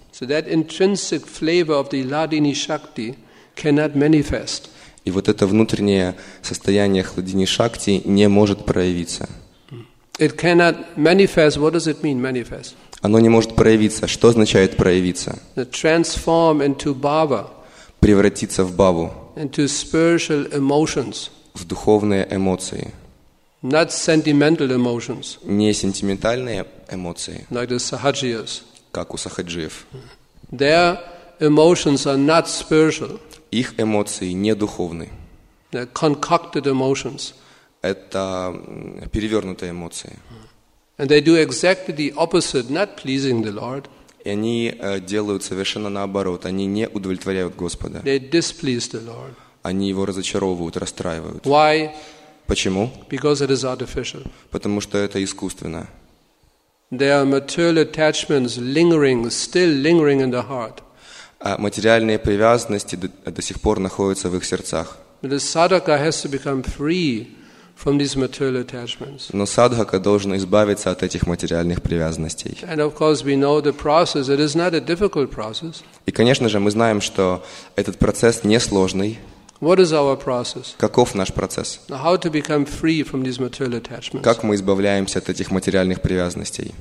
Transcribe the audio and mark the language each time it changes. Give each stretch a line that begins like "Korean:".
English: So that intrinsic flavor of the Ladini Shakti cannot manifest.
Russian: И вот это внутреннее состояние Хладини Шакти не может проявиться.
English: It cannot manifest. What does it mean, manifest?
Russian: Оно не может проявиться. Что означает проявиться?
English: To transform into bhava.
Russian: Превратиться в бхаву.
English: Into spiritual emotions.
Russian: В духовные эмоции.
English: Not sentimental emotions.
Russian: Не сентиментальные эмоции.
English: Like the sahajiyas.
Russian: Как у сахаджиев.
English: Their emotions are not spiritual.
Russian: Их эмоции не духовны.
English: They're concocted emotions.
Russian: Это перевернутые эмоции.
English: And they do exactly the opposite, not pleasing the Lord.
Russian: И они делают совершенно наоборот. Они не удовлетворяют Господа.
English: They displease the Lord.
Russian: Они его разочаровывают, расстраивают.
English: Why?
Russian: Почему?
English: Because it is artificial.
Russian: Потому что это искусственно.
English: There are material attachments lingering, still lingering in the heart.
Russian: Материальные привязанности до сих пор находятся в их сердцах.
English: The sadhaka has to become free from these material attachments.
Russian: Но садхака должен избавиться от этих материальных привязанностей.
English: And of course, we know the process. It is not a difficult process.
Russian: И конечно же мы знаем, что этот процесс не сложный.
English: What is our process?
Russian: Каков наш процесс?
English: How to become free from these material attachments?
Russian: Как мы избавляемся от этих материальных привязанностей?